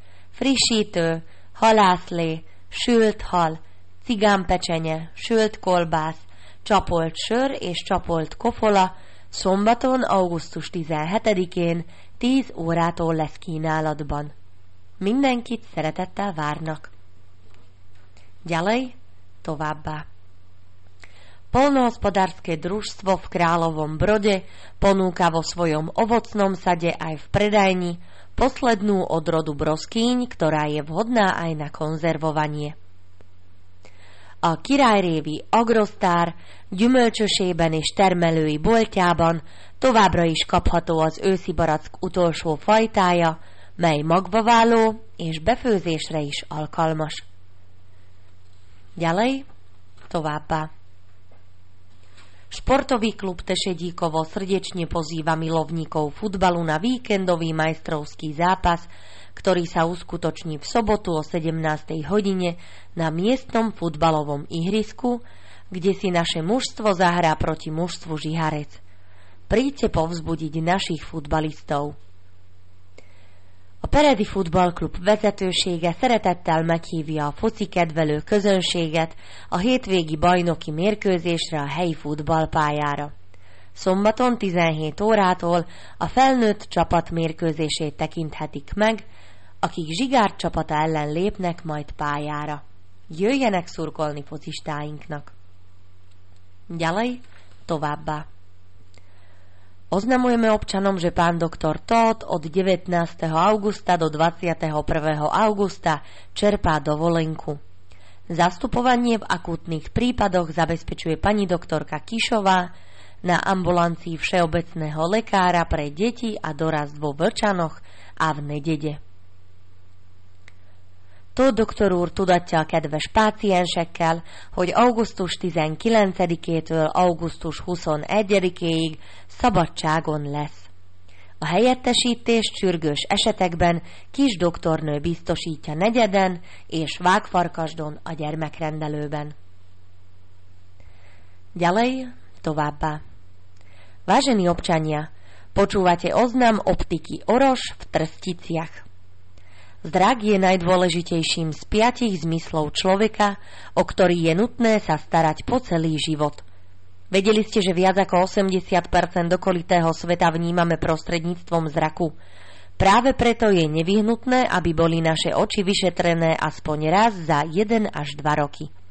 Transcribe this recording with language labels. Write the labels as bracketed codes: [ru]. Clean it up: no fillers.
[hu] Frissítő, halászlé, sült hal, cigánpecsenye, sült kolbász, csapolt sör és csapolt kofola szombaton augusztus 17-én 10 órától lesz kínálatban. Mindenkit szeretettel várnak. [sk] Ďalej, [hu] továbbá. [sk] Poľnohospodárske družstvo v Královom Brode ponúka vo svojom ovocnom sade aj v predajni poslednú odrodu broskýň, ktorá je vhodná aj na konzervovanie. [hu] A királyrévi Agrosztár gyümölcsösében és termelői boltjában továbbra is kapható az őszi barack utolsó fajtája, mely magvaváló és befőzésre is alkalmas. [sk] Ďalej, [hu] továbbá. [sk] Sportový klub Tešedíkovo srdečne pozýva milovníkov futbalu na víkendový majstrovský zápas, ktorý sa uskutoční v sobotu o 17. hodine na miestnom futbalovom ihrisku, kde si naše mužstvo zahrá proti mužstvu Žiharec. Príďte povzbudiť našich futbalistov. [hu] A Peredi futballklub vezetősége szeretettel meghívja a foci kedvelő közönséget a hétvégi bajnoki mérkőzésre a helyi futballpályára. Szombaton 17 órától a felnőtt csapat mérkőzését tekinthetik meg, akik Zsigárd csapata ellen lépnek majd pályára. Jöjjenek szurkolni focistáinknak! [sk] Ďalej, [hu] továbbá. [sk] Oznamujeme občanom, že pán doktor Tóth od 19. augusta do 21. augusta čerpá dovolenku. Zastupovanie v akutných prípadoch zabezpečuje pani doktorka Kišová na ambulancii všeobecného lekára pre deti a dorast vo Vlčanoch a v Nedede. [hu] To doktor úr tudatja a kedves páciensekkel, hogy augusztus 19-től augusztus 21-ig szabadságon lesz. A helyettesítés sürgős esetekben kis doktornő biztosítja Negyeden és Vágfarkasdon a gyermekrendelőben. [sk] Ďalej, [hu] továbbá. [sk] Vážení občania, počúvate oznam optiky Oroš v Trsticiach. Zrak je najdôležitejším z piatich zmyslov človeka, o ktorý je nutné sa starať po celý život. Vedeli ste, že viac ako 80% okolitého sveta vnímame prostredníctvom zraku. Práve preto je nevyhnutné, aby boli naše oči vyšetrené aspoň raz za 1 až 2 roky.